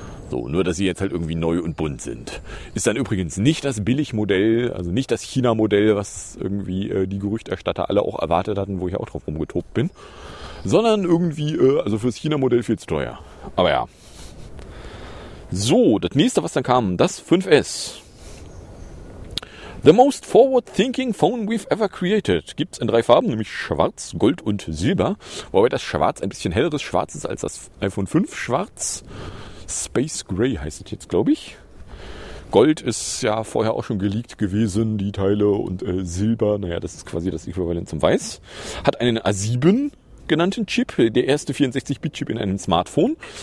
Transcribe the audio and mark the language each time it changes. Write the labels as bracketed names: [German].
[German] So, nur dass sie jetzt halt irgendwie neu und bunt sind. Ist dann übrigens nicht das Billigmodell, also nicht das China-Modell, was irgendwie die Gerüchterstatter alle auch erwartet hatten, wo ich auch drauf rumgetobt bin. Sondern irgendwie, also fürs China-Modell viel zu teuer. Aber ja. So, das nächste, was dann kam, das 5S. [English] The most forward-thinking phone we've ever created. [German] Gibt's in drei Farben, nämlich Schwarz, Gold und Silber. Wobei das Schwarz ein bisschen helleres Schwarz ist als das iPhone 5 Schwarz. Space Gray heißt es jetzt, glaube ich. Gold ist ja vorher auch schon geleakt gewesen, die Teile. Und Silber, naja, das ist quasi das Äquivalent zum Weiß. Hat einen A7 genannten Chip, der erste 64-Bit-Chip in einem Smartphone.